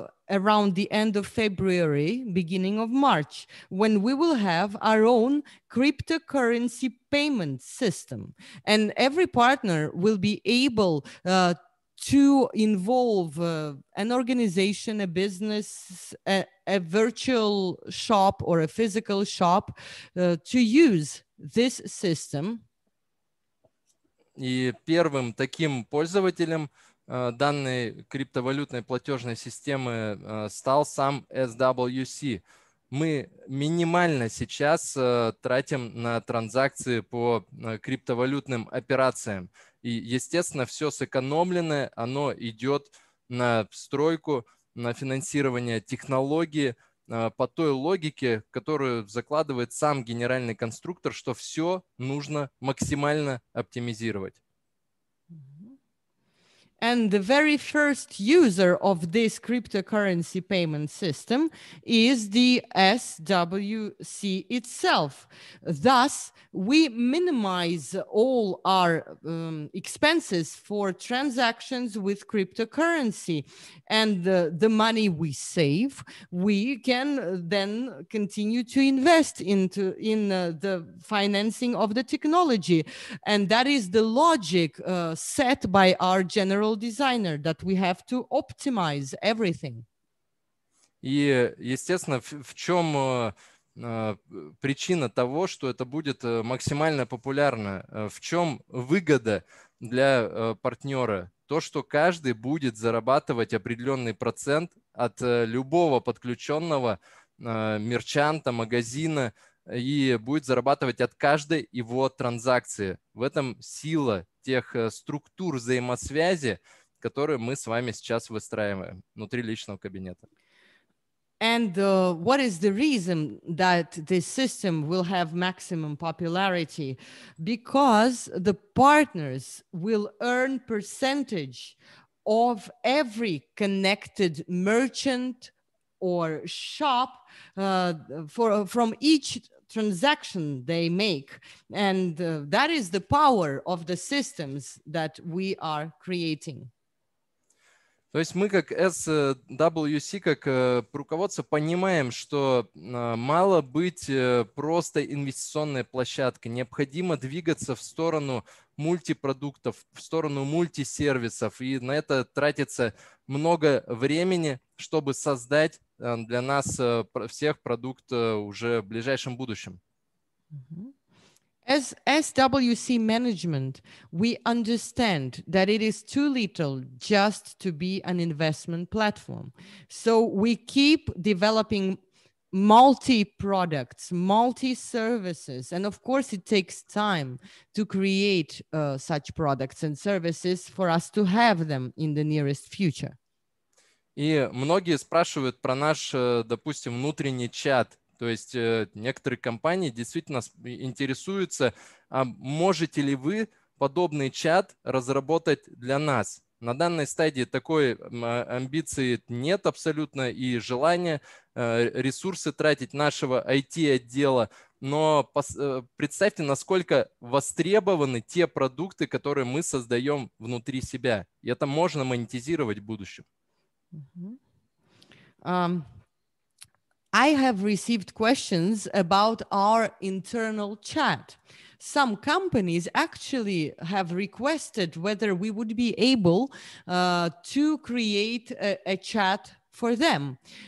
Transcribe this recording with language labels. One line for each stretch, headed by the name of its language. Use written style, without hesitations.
English: around the end of February, beginning of March, when we will have our own cryptocurrency payment system, and every partner will be able to involve an organization, a business, a virtual shop or a physical shop to use this system.
Russian: И первым таким пользователем данной криптовалютной платежной системы стал сам SWC. Мы минимально сейчас тратим на транзакции по криптовалютным операциям. И, естественно, все сэкономленное, оно идет на стройку, на финансирование технологии по той логике, которую закладывает сам генеральный конструктор, что все нужно максимально оптимизировать.
English: And the very first user of this cryptocurrency payment system is the SWC itself. Thus, we minimize all our expenses for transactions with cryptocurrency. And the money we save, we can then continue to invest into the financing of the technology. And that is the logic set by our general designer, that we have to optimize everything.
Russian: И, естественно, в чем причина того, что это будет максимально популярно? В чем выгода для партнера? То, что каждый будет зарабатывать определенный процент от любого подключенного мерчанта, магазина и будет зарабатывать от каждой его транзакции. В этом сила тех структур взаимосвязи, которые мы с вами сейчас выстраиваем внутри личного кабинета.
English: And what is the reason that this system will have maximum popularity? Because the partners will earn percentage of every connected merchant or shop from each transaction they make, and that is the power of the systems that we are creating.
Russian: То есть мы как SWC, как руководство, понимаем, что мало быть просто инвестиционной площадкой. Необходимо двигаться в сторону мультипродуктов, в сторону мультисервисов. И на это тратится много времени, чтобы создать для нас всех продукт уже в ближайшем будущем.
English: As SWC management, we understand that it is too little just to be an investment platform. So we keep developing multi-products, multi-services, and of course it takes time to create such products and services for us to have them in the nearest future.
Russian: И многие спрашивают про наш, допустим, внутренний чат. То есть некоторые компании действительно интересуются, а можете ли вы подобный чат разработать для нас? На данной стадии такой амбиции нет абсолютно и желания ресурсы тратить нашего IT-отдела. Но представьте, насколько востребованы те продукты, которые мы создаем внутри себя. И это можно монетизировать в будущем.
English: I have received questions about our internal chat. Some companies actually have requested whether we would be able to create a chat for them.